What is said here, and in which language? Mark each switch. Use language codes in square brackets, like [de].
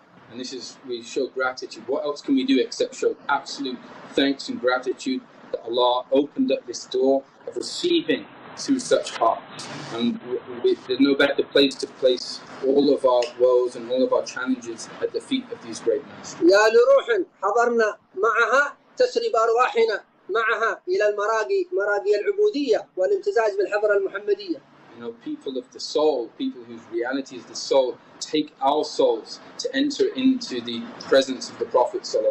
[en] And this is, we show gratitude. What else can we do except show absolute thanks and gratitude that Allah opened up this door of receiving through such heart? And there's no better place to place all of our woes and all of our challenges at the feet of these great masters. [ar] يا لروح حضرنا معها تسرب أرواحنا معها إلى المراقي مراقي العبودية والامتزاج بالحضرة المحمدية. [en] You know, people of the soul, people whose reality is the soul, take our souls to enter into the presence of the Prophet